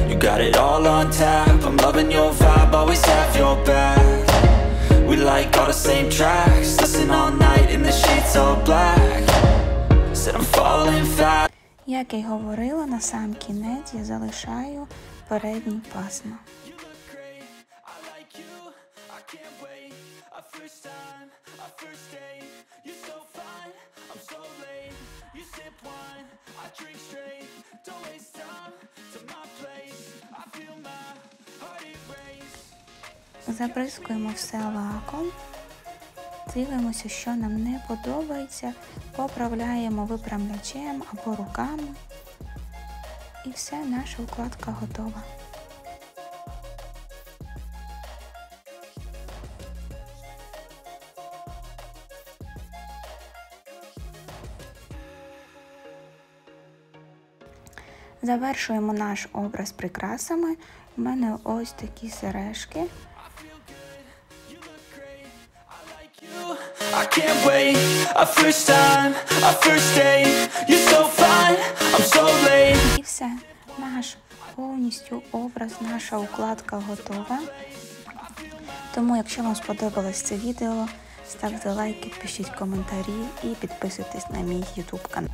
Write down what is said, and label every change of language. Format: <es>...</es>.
<en>Got it all on tap, I'm loving your vibe, always have your back. We like all the same tracks, listen all night in the sheets all black. Said I'm falling fast.</en> <uk>Як я й говорила, на сам кінець я залишаю передні пасма. Забризкуємо все лаком, дивимося, що нам не подобається, поправляємо виправлячем або руками, і все, наша укладка готова. Завершуємо наш образ прикрасами, в мене ось такі сережки.</uk> <en>I can't wait, our first time, our first day. You're so fine, I'm so late.</en> <uk>І все, наш повністю образ, наша укладка готова. Тому, якщо вам сподобалось це відео, ставте лайки, пишіть коментарі і підписуйтесь на мій YouTube канал.</uk>